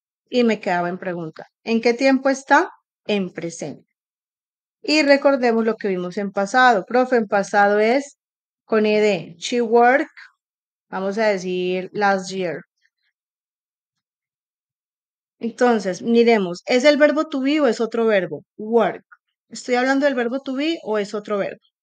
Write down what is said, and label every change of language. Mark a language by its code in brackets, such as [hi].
[es] Y me quedaba en pregunta. ¿En qué tiempo está? En presente. Y recordemos lo que vimos en pasado. Profe, en pasado es con ED. [en] She worked, [es] vamos a decir, [en] last year. [es] Entonces, miremos. ¿Es el verbo to be o es otro verbo? Work. ¿Estoy hablando del verbo to be o es otro verbo?